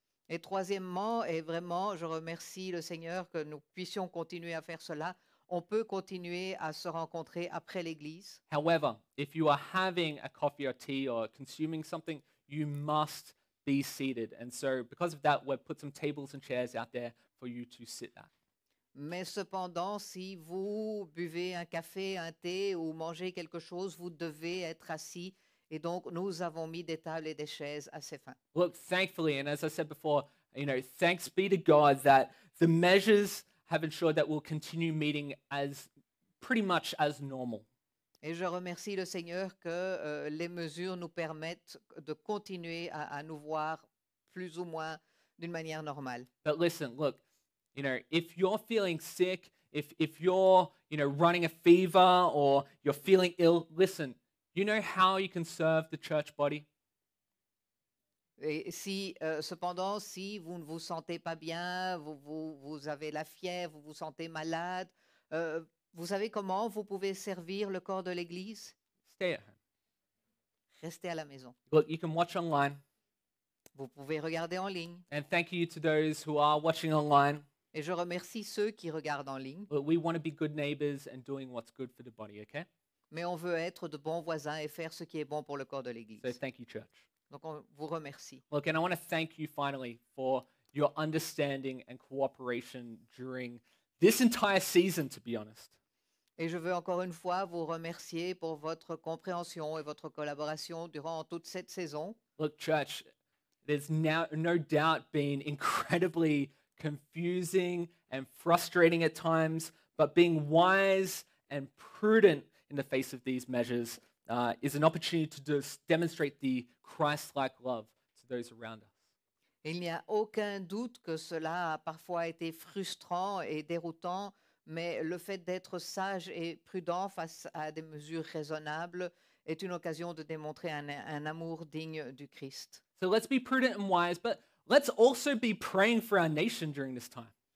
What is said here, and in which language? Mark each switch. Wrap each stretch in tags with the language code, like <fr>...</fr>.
<fr>Et troisièmement, et vraiment, je remercie le Seigneur que nous puissions continuer à faire cela. On peut continuer à se rencontrer après l'église.</fr> <en>However, if you are having a coffee or tea or consuming something, you must be seated. And so, because of that, we've put some tables and chairs out there for you to sit at.</en> <fr>Mais cependant, si vous buvez un café, un thé ou mangez quelque chose, vous devez être assis. Et donc, nous avons mis des tables et des chaises à ces fins.</fr> <en>Look, thankfully, and as I said before, you know, thanks be to God that the measures have ensured that we'll continue meeting as pretty much as normal.</en> <fr>Et je remercie le Seigneur que les mesures nous permettent de continuer à nous voir plus ou moins d'une manière normale.</fr> <en>But listen, look, you know, if you're feeling sick, if you're, you know, running a fever or you're feeling ill, listen. You know how you can serve the church body?</en> <fr>Et si, cependant, si vous ne vous sentez pas bien, vous avez la fièvre, vous vous sentez malade, vous savez comment vous pouvez servir le corps de l'Église?</fr> <en>Stay at home.</en> <fr>Restez à la maison.</fr> <en>Look, you can watch online.</en> <fr>Vous pouvez regarder en ligne.</fr> <en>And thank you to those who are watching online.</en> <fr>Et je remercie ceux qui regardent en ligne.</fr> <en>But we want to be good neighbors and doing what's good for the body, okay?</en> <fr>Mais on veut être de bons voisins et faire ce qui est bon pour le corps de l'Église.</fr> <en>So thank you, church.</en> <fr>Donc on vous remercie.</fr> <en>Look, and I want to thank you finally for your understanding and cooperation during this entire season, to be honest.</en> <fr>Et je veux encore une fois vous remercier pour votre compréhension et votre collaboration durant toute cette saison.</fr> <en>Look, church, there's no doubt been incredibly confusing and frustrating at times, but being wise and prudent in the face of these measures, is an opportunity to demonstrate the Christ-like love to those around us.</en> <fr>Il n'y a aucun doute que cela a parfois été frustrant et déroutant, mais le fait d'être sage et prudent face à des mesures raisonnables est une occasion de démontrer un amour digne du Christ.</fr> <en>So let's be prudent and wise, but let's also be praying for our nation during this time.</en>